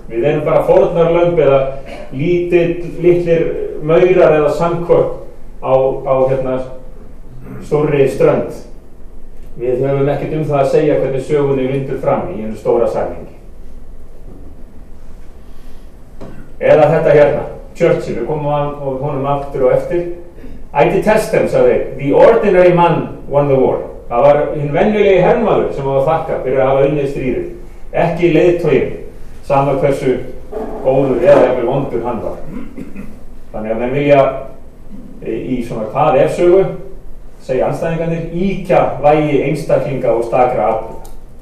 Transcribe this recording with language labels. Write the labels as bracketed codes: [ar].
[is] Við erum bara fórnarlömb eða litlir maurar eða sandkorn á hérna stórri strönd. Við höfum ekkert það að segja hvernig sögunni vindur fram í einu stóra samhengi. Eða þetta hérna, Churchill, við komum að honum aftur og eftir. [en] I detest them, [is] sagði, [en] the ordinary man won the war. [is] Það var hinn venjulegi hermaður sem var að þakka fyrir að hafa unnið stríðið. Ekki leiðtogin, sama hversu góður eða jafnvel vondur hann var. Þannig að menn vilja í svona hvað ef sögu, segja andstæðingarnir, ýkja vægi einstaklinga og stakra atburða.